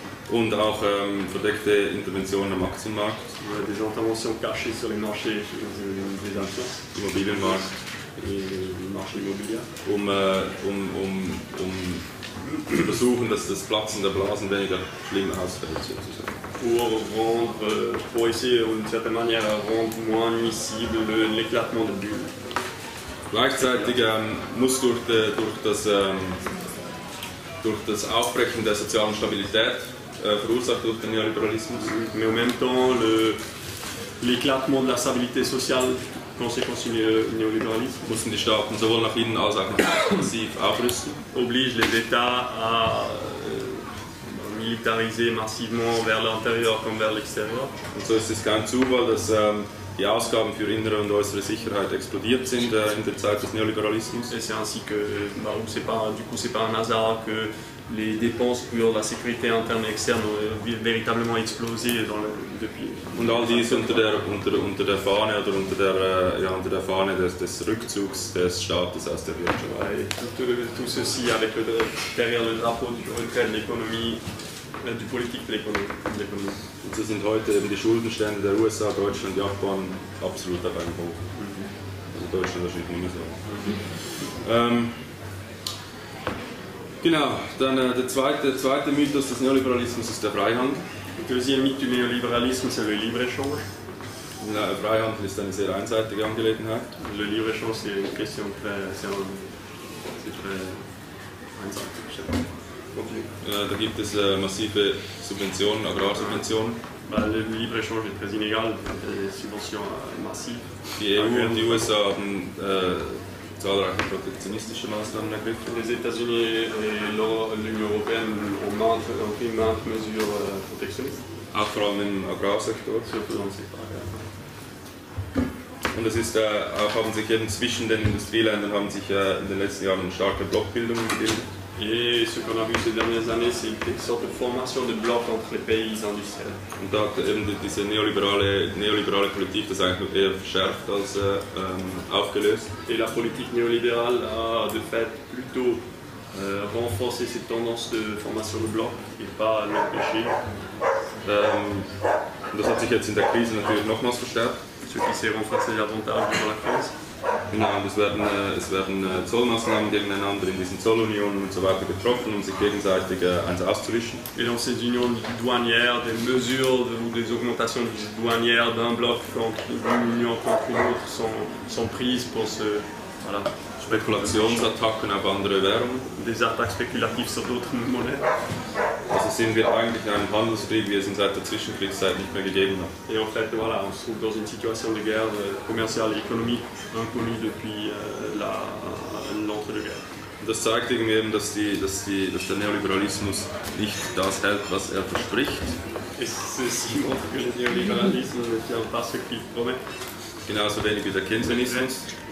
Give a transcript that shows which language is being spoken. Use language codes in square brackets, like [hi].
[de] Und auch verdeckte Interventionen am Aktienmarkt. [fr] Des interventions cachées sur les marchés des actions. [de] Immobilienmarkt. [fr] Le marché immobilier. [de] Um versuchen, dass das Platzen der Blasen weniger schlimm ausfällt, sozusagen. [fr] Pour essayer, d'une certaine manière, rendre moins nuisible l'éclatement de bulles. [de] Gleichzeitig muss durch das Aufbrechen der sozialen Stabilität verursacht durch den Neoliberalismus. [fr] Mais en même temps, l'éclatement de la stabilité sociale, conséquence du néolibéralisme, [de] mussten die Staaten sowohl nach innen als auch massiv aufrüsten. [fr] Oblige les États à militariser massivement vers l'intérieur comme vers l'extérieur. [de] Und so ist es kein Zufall, dass die Ausgaben für innere und äußere Sicherheit explodiert sind in der Zeit des Neoliberalismus. [fr] Et c'est ainsi que, c'est pas un hasard que les dépenses pour la sécurité interne et externe ont véritablement explosé dans le, depuis. [de] Und all dies unter der Fahne oder unter der Fahne des Rückzugs des Staates aus der Wirtschaft. [fr] Tout ceci avec derrière le drapeau du retrait de l'économie, du politique de l'économie. [de] Und so sind heute eben die Schuldenstände der USA, Deutschland, Japan absolut auf einem Hoch. Also Deutschland wahrscheinlich nicht mehr so. Genau, dann der zweite Mythos des Neoliberalismus ist der Freihandel. [fr] Le deuxième mythe du néolibéralisme, c'est le libre-échange. [de] Le Freihandel ist eine sehr einseitige Angelegenheit. [fr] Le libre-échange, c'est une question très [de] einseitig. Da gibt es massive Subventionen, Agrarsubventionen. [fr] Bah, le libre-échange est très inégal, les subventions massives. [de] Die EU und die USA haben zahlreiche protektionistische Maßnahmen ergriffen. [fr] Les États-Unis et l'Union européenne ont pris maintes mesures protectionnistes. [de] Auch vor allem im Agrarsektor. [fr] Surtout dans le secteur, ja. [de] Und es ist auch, haben sich eben zwischen den Industrieländern haben sich in den letzten Jahren starke Blockbildungen gebildet. [fr] Et ce qu'on a vu ces dernières années, c'est une sorte de formation de blocs entre les pays industriels. [de] Und da hat eben diese néolibérale Politik das eigentlich eher verschärft als aufgelöst. [fr] Et la politique néolibérale a de fait plutôt renforcé cette tendance de formation de blocs et pas l'empêché. [de] Das hat sich jetzt in der Krise natürlich nochmals verstärkt. [fr] Ce qui s'est renforcé davantage durant la crise. [de] Genau, es werden Zollmaßnahmen gegeneinander in diesen Zollunionen und so weiter getroffen, um sich gegenseitig eins auszuwischen. [fr] Et dans ces unions douanières, des mesures ou des augmentations douanières d'un bloc contre une union contre une autre sont prises pour ce. Voilà. [de] Spekulationsattacken auf andere Währungen. [fr] Des attaques spéculatives sur d'autres monnaies. [de] Also sind wir eigentlich in einem Handelskrieg, wie es ihn seit der Zwischenkriegszeit nicht mehr gegeben hat. [fr] Et en fait, voilà, on se trouve dans une situation de guerre commerciale et économique inconnue depuis l'entre-deux-guerres. [de] Das zeigt eben, dass der Neoliberalismus nicht das hält, was er verspricht. [fr] Ceci montre que le néolibéralisme ne tient pas ce qu'il promet. [de] Genauso wenig wie der Keynesianismus.